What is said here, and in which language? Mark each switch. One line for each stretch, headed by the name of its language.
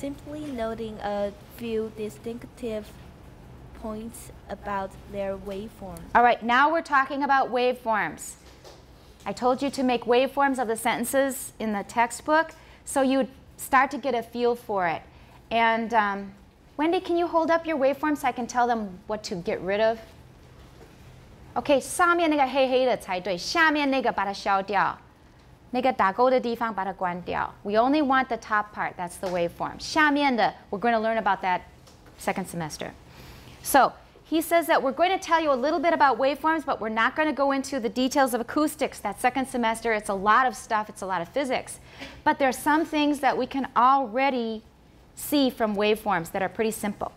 English: Simply noting a few distinctive points about their waveforms. All right, now we're talking about waveforms. I told you to make waveforms of the sentences in the textbook, so you start to get a feel for it. And Wendy, can you hold up your waveforms so I can tell them what to get rid of?
Chinese: Okay, 上面那个黑黑的才对，下面那个把它消掉，那个打勾的地方把它关掉。
English: We only want the top part, that's the waveform.
Chinese: 下面的
English: we're going to learn about that second semester. So,He says that we're going to tell you a little bit about waveforms, but we're not going to go into the details of acoustics that second semester. It's a lot of stuff. It's a lot of physics. But there are some things that we can already see from waveforms that are pretty simple.